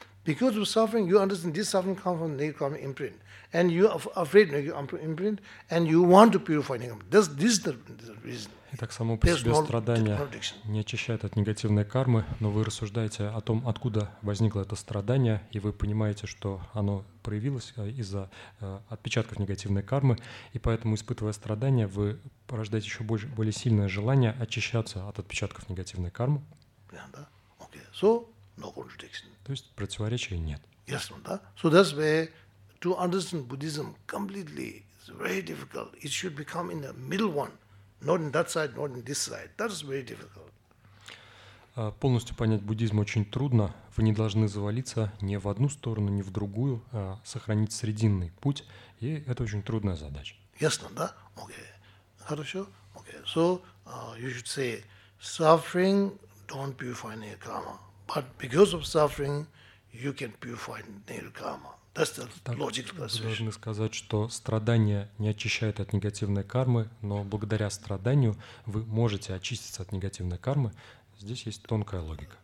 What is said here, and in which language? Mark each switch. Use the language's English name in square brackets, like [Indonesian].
[English] Because of suffering, you understand this suffering comes from negative karma imprint. And you are afraid of negative imprint, and you want to purify negative karma. This is the reason. [Russian] Итак, само по себе страдание не очищает от негативной кармы, но вы рассуждаете о том, откуда возникло это страдание, и вы понимаете, что оно проявилось из-за отпечатков негативной кармы, и поэтому, испытывая страдание, вы порождаете еще более сильное желание очищаться от отпечатков негативной кармы. [English] Okay. So, no contradiction. [Russian] То есть противоречия нет. [English] Yes, [Russian] да? [English] So that's where to understand Buddhism completely is very difficult. It should become in the middle one. Not in that side, not in this side. That is very difficult. [Russian] Полностью понять буддизм очень трудно. Вы не должны завалиться ни в одну сторону, ни в другую, а сохранить срединный путь. И это очень трудная задача. Ясно, да? Okay. Хорошо? Okay. [English] So, you should say, suffering don't purify nirkama. But because of suffering, you can purify nirkama. [Russian] Так, вы должны сказать, что страдание не очищает от негативной кармы, но благодаря страданию вы можете очиститься от негативной кармы. Здесь есть тонкая логика.